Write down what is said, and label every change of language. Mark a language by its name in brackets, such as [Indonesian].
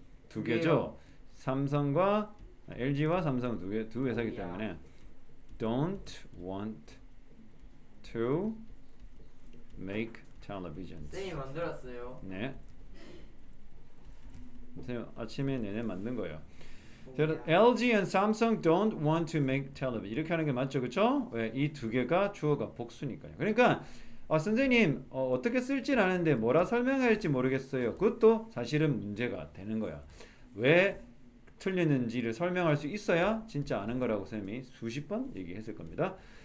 [Korean] 두 개죠. 삼성과 LG와 삼성 두 회사이기 때문에 [English] don't want to make televisions. [Korean] 쌤이 만들었어요. 네. 쌤 아침에 내내 만든 거예요. [English] 그래서 LG and Samsung don't want to make television. [Korean] 이렇게 하는 게 맞죠, 그렇죠? 왜 이 두 개가 주어가 복수니까요. 그러니까 선생님 어떻게 쓸지는 아는데 뭐라 설명해야 할지 모르겠어요. 그것도 사실은 문제가 되는 거야. 왜 틀렸는지를 설명할 수 있어야 진짜 아는 거라고 쌤이 수십 번 얘기했을 겁니다.